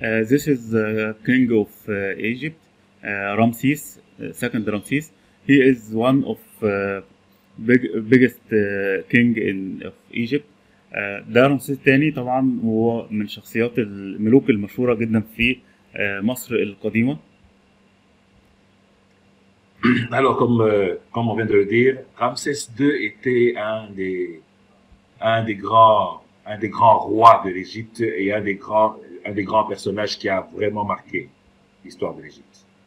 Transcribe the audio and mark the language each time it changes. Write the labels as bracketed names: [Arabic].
[English] This is the king of Egypt, Ramses, second Ramses. He is one of biggest king in of Egypt. [Arabic] ده رمسيس الثاني طبعا, هو من شخصيات الملوك المشهورة جدا في مصر القديمة. [French] Alors comme on vient de le dire, Ramsès II était un des grands rois de l'Égypte et un des grands personnages qui a vraiment marqué l'histoire de l'Égypte.